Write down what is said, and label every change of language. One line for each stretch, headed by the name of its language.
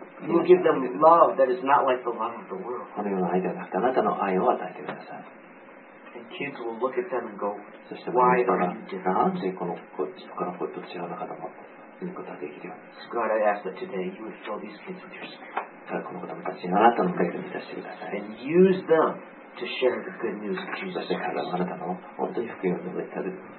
English: You will give them love that is not like the love of the world.
Japanese: このような愛ではなくて、あなたの愛を与えてください。
English: And kids will look at them and go,
Japanese: そして子供たちが、なんでこの子と他の子と違うのかと思って、見ることができるように。
English: So God, I ask that today you would fill these kids with your spirit.
Japanese: ただこの子供たちにあなたの霊で満たしてください。
English: And use them to share the good news of Jesus.
Japanese: そして彼らもあなたの本当に福音を述べてる。